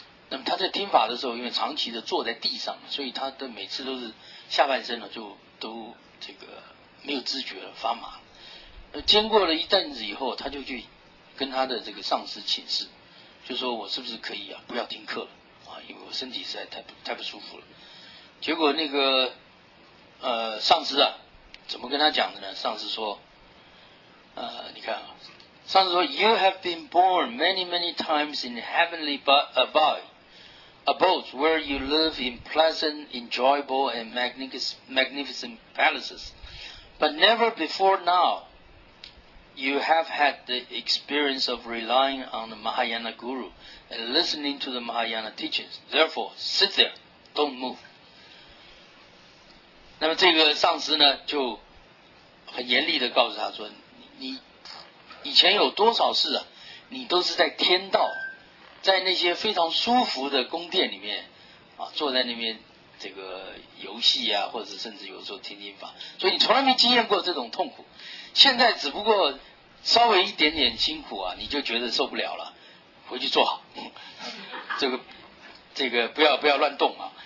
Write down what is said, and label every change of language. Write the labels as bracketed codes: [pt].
[zh] 那么他在听法的时候，因为长期的坐在地上，所以他的每次都是下半身呢就都这个没有知觉了，发麻。经过了一阵子以后，他就去跟他的这个上司请示，就说我是不是可以啊不要听课了啊，因为我身体实在太不舒服了。结果那个上司啊怎么跟他讲的呢，上司说你看啊，上司说 [en] You have been born many many times in heavenly abode where you live in pleasant, enjoyable and magnificent palaces, but never before now you have had the experience of relying on the Mahayana guru and listening to the Mahayana teachings, therefore sit there, don't move。 [zh] 那么这个上司呢就很严厉的告诉他说，你以前有多少事啊，你都是在天道，在那些非常舒服的宫殿里面啊，坐在那边这个游戏啊，或者甚至有时候听听法，所以你从来没经验过这种痛苦，现在只不过稍微一点点辛苦啊你就觉得受不了了，回去坐好，这个不要乱动啊。